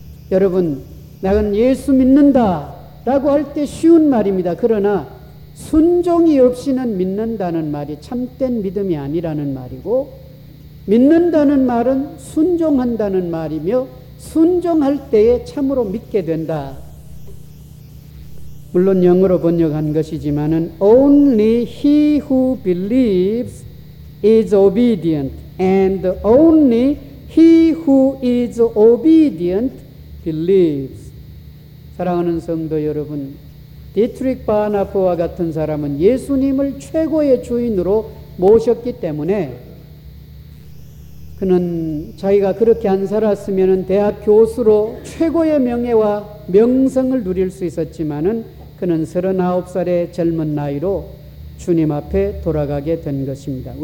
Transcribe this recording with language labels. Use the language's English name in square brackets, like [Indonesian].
[Korean] 여러분, 나는 예수 믿는다라고 할 때 쉬운 말입니다. 그러나 순종이 없이는 믿는다는 말이 참된 믿음이 아니라는 말이고 믿는다는 말은 순종한다는 말이며 순종할 때에 참으로 믿게 된다. 물론 영어로 번역한 것이지만은 [English] Only he who believes is obedient and only he who is obedient believes. [Korean] 사랑하는 성도 여러분, 디트릭 바나포와 같은 사람은 예수님을 최고의 주인으로 모셨기 때문에 그는 자기가 그렇게 안 살았으면 대학 교수로 최고의 명예와 명성을 누릴 수 있었지만은 그는 39살의 젊은 나이로 주님 앞에 돌아가게 된 것입니다.